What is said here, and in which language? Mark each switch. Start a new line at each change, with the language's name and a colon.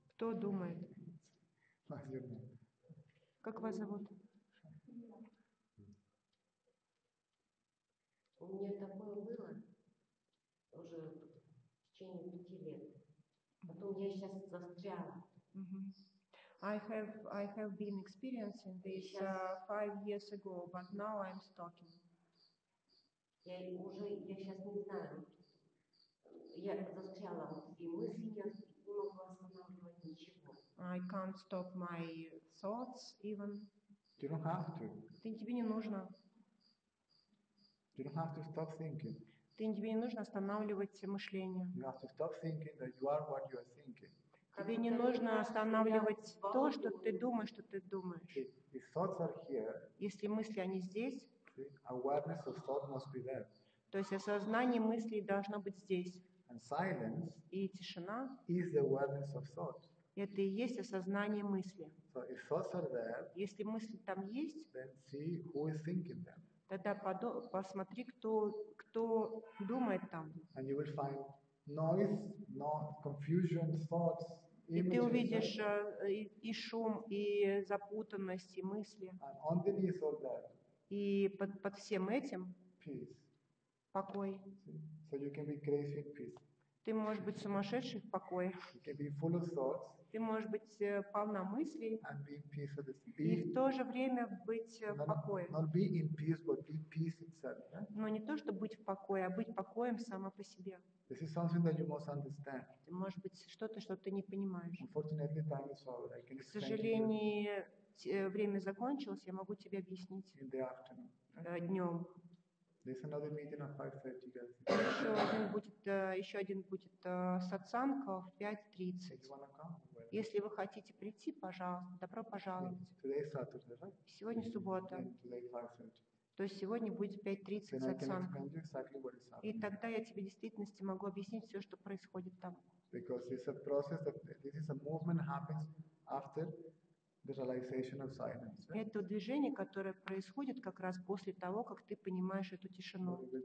Russian: Кто думает? Как вас зовут? У меня такое было уже в течение 5 лет. Потом я сейчас застряла.
English: I have been experiencing this 5 years ago, but now I'm stopping.
Russian: Я сейчас не знаю. Я застряла и мысли, я не могу останавливать ничего.
English: I can't stop my thoughts even. You don't have to.
Russian: Ты тебе не нужно.
English: You don't have to stop thinking.
Russian: Ты тебе не нужно останавливать мышление.
English: You have to stop thinking that you are what you are thinking.
Russian: Тебе не нужно останавливать то, что ты думаешь, что ты думаешь.
English: If thoughts are here,
Russian: если мысли, они здесь,
English: awareness of thought must be there.
Russian: То есть осознание мыслей должно быть здесь.
English: And silence,
Russian: и тишина,
English: is the awareness of thought.
Russian: Это и есть осознание мысли.
English: So if thoughts are there,
Russian: если мысли там есть,
English: then see who is thinking them.
Russian: Тогда посмотри, кто думает там.
English: And you will find noise, confusion, thoughts, images.
Russian: И ты увидишь и шум, и запутанность, и мысли.
English: And underneath all that.
Russian: И под всем этим.
English: Peace.
Russian: Покой.
English: So you can be crazy in peace.
Russian: Ты можешь быть сумасшедший в покое.
English: You can be full of thoughts.
Russian: Ты можешь быть полна мыслей.
English: And be in peace with this.
Russian: И в то же время быть в покое.
English: Not be in peace, but be peace itself.
Russian: Но не то, чтобы быть в покое, а быть покоем сама по себе.
English: This is something that you must understand.
Russian: Это может быть что-то, что ты не понимаешь.
English: Unfortunately, time is over. I can explain.
Russian: К сожалению, время закончилось. Я могу тебе объяснить.
English: In the afternoon.
Russian: Днем.
English: There's another meeting at 5:30.
Russian: Еще один будет сатсанг в 5:30. Если вы хотите прийти, пожалуйста, добро пожаловать.
English: Today is Saturday, right?
Russian: Сегодня суббота. То есть сегодня будет 5:30 сатсанг. И тогда я тебе в действительности могу объяснить все, что происходит там.
English: Because it's a process that this is a movement happens after.
Russian: Это движение, которое происходит как раз после того, как ты понимаешь эту тишину.